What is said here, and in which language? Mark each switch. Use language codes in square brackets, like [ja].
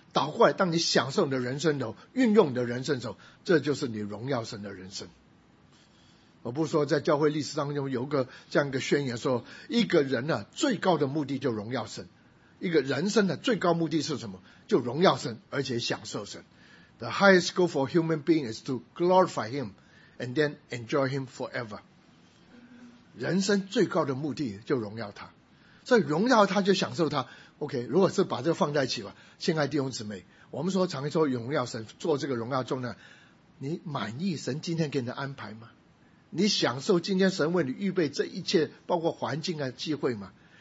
[zh] 倒过来，当你享受你的人生的时候，运用你的人生的时候，这就是你荣耀神的人生。我不说在教会历史当中有个这样一个宣言说，一个人呢最高的目的就荣耀神，一个人生的最高目的是什么？就荣耀神，而且享受神。 [en] The highest goal for human being is to glorify him and then enjoy him forever。 [zh] 人生最高的目的就荣耀他，所以荣耀他就享受他。 OK， 如果是把这个放在一起吧，亲爱弟兄姊妹，我们说常说荣耀神，做这个荣耀中呢，你满意神今天给你的安排吗？你享受今天神为你预备这一切包括环境的机会吗？